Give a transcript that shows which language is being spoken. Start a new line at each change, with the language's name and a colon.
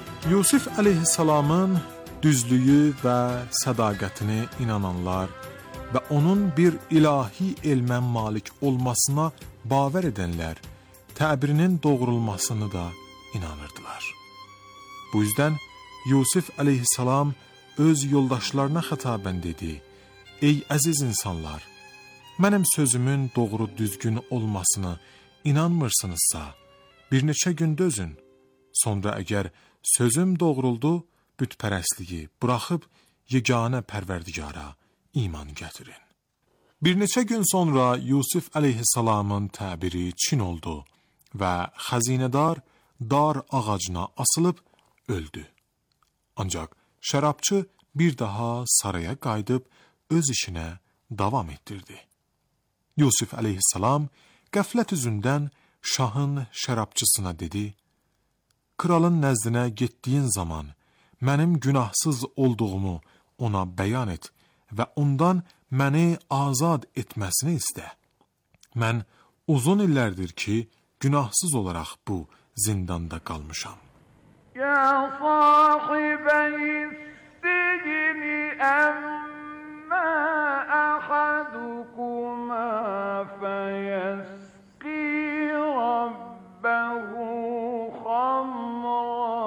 Azerbaijani: Yusuf aleyhisselamın düzlüğü və sədaqətini inananlar və onun bir ilahi elmə malik olmasına bavər edənlər təbirinin doğrulmasını da inanırdılar. Bu yüzden Yusuf aleyhisselam öz yoldaşlarına xitabən dedi: "Ey əziz insanlar, mənim sözümün doğru düzgün olmasını inanmırsınızsa, bir neçə gün dözün. Sonra əgər sözüm doğruldu, bütpərəsliyi bıraxıb yeganə pərverdigara iman gətirin." Bir neçə gün sonra Yusuf aleyhisselamın təbiri çin oldu və xəzinədar dar ağacına asılıb öldü. Ancaq şərabçı bir daha saraya qayıdıb öz işinə davam etdirdi. Yusuf aleyhisselam qəflət üzündən şahın şərabçısına dedi: "Kralın nəzdinə getdiyin zaman mənim günahsız olduğumu ona bəyan et və ondan məni azad etməsini istə. Mən uzun illərdir ki, günahsız olaraq bu zindanda qalmışam."
Arabic: Ya sahibəy sicni əmmə əxadukumə fəyəsqi rabbəhu xamra